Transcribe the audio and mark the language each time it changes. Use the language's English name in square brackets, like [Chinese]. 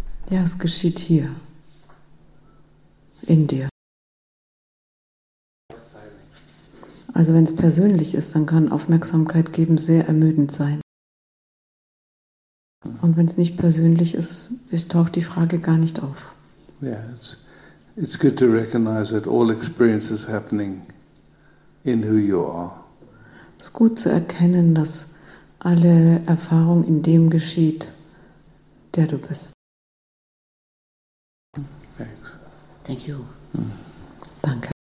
[German] Ja, es geschieht hier. In dir. Also wenn es persönlich ist, dann kann Aufmerksamkeit geben sehr ermüdend sein. Und wenn es nicht persönlich ist, taucht die Frage gar nicht auf. [English] Yeah, it's good to recognize that all experience is happening in who you are. [German] Es ist gut zu erkennen, dass alle Erfahrung in dem geschieht, der du bist. [English] Thanks. Thank you. [German] Danke.